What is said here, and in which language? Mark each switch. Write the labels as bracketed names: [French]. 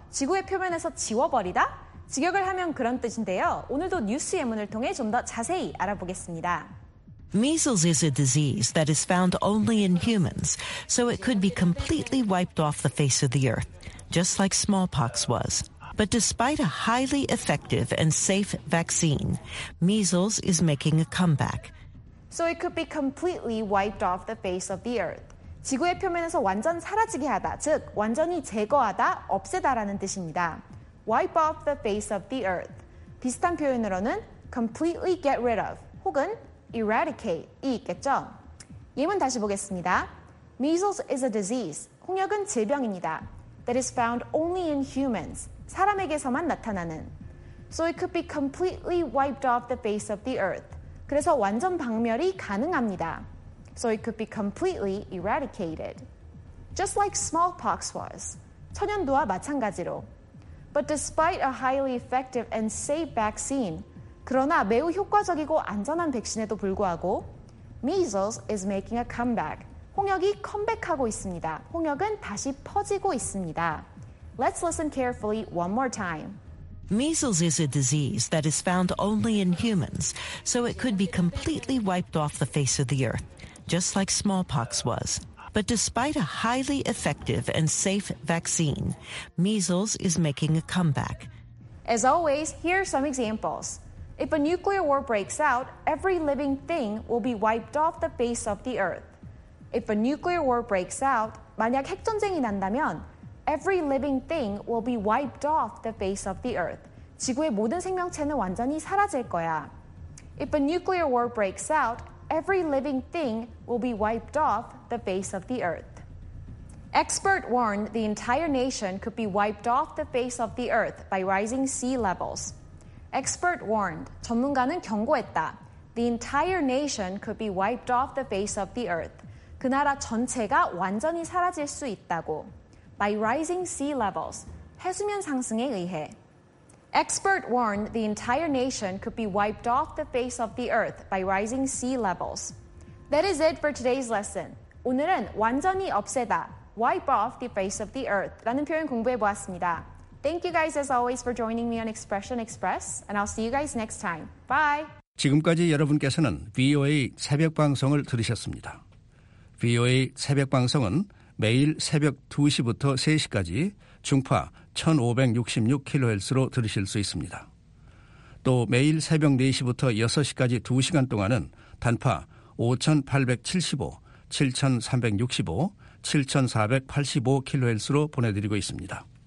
[Korean] 지구의 표면에서 지워버리다? 직역을 하면 그런 뜻인데요. 오늘도 뉴스 예문을 통해 좀 더 자세히 알아보겠습니다. [English] Measles is a disease that is found only in humans, so it could be completely wiped off the face of the earth, just like smallpox was. But despite a highly effective and safe vaccine, measles is making a comeback. So it could be completely wiped off the face of the earth. [Korean] 지구의 표면에서 완전 사라지게 하다, 즉 완전히 제거하다, 없애다라는 뜻입니다. [English] Wipe off the face of the earth. [Korean] 비슷한 표현으로는 [English] completely get rid of 혹은 eradicate이 [Korean] 있겠죠. 예문 다시 보겠습니다. [English] Measles is a disease. [Korean] 홍역은 질병입니다. [English] That is found only in humans. [Korean] 사람에게서만 나타나는. [English] So it could be completely wiped off the face of the earth. [Korean] 그래서 완전 박멸이 가능합니다. [English] So it could be completely eradicated. Just like smallpox was. [Korean] 천연두와 마찬가지로. [English] But despite a highly effective and safe vaccine, [Korean] 그러나 매우 효과적이고 안전한 백신에도 불구하고 [English] measles is making a comeback. [Korean] 홍역이 컴백하고 있습니다. 홍역은 다시 퍼지고 있습니다. [English] Let's listen carefully one more time. Measles is a disease that is found only in humans, so it could be completely wiped off the face of the earth, just like smallpox was. But despite a highly effective and safe vaccine, measles is making a comeback. As always, here are some examples. If a nuclear war breaks out, every living thing will be wiped off the face of the earth. If a nuclear war breaks out, [Korean] 만약 핵전쟁이 난다면, [English] every living thing will be wiped off the face of the earth. [Korean] 지구의 모든 생명체는 완전히 사라질 거야. [English] If a nuclear war breaks out, every living thing will be wiped off the face of the earth. Expert warned the entire nation could be wiped off the face of the earth by rising sea levels. Expert warned, [Korean] 전문가는 경고했다. [English] The entire nation could be wiped off the face of the earth. [Korean] 그 나라 전체가 완전히 사라질 수 있다고. [English] By rising sea levels, [Korean] 해수면 상승에 의해. [English] Expert warned the entire nation could be wiped off the face of the earth by rising sea levels. That is it for today's lesson. [Korean] 오늘은 완전히 없애다, [English] wipe off the face of the earth [Korean] 라는 표현 공부해 보았습니다. [English] Thank you guys as always for joining me on Expression Express, and I'll see you guys next time. Bye! [Korean] 지금까지 여러분께서는 VOA 새벽 방송을 들으셨습니다. VOA 새벽 방송은 매일 새벽 2시부터 3시까지 중파 1566kHz로 들으실 수 있습니다. 또 매일 새벽 4시부터 6시까지 2시간 동안은 단파 5875, 7365, 7485kHz로 보내드리고 있습니다.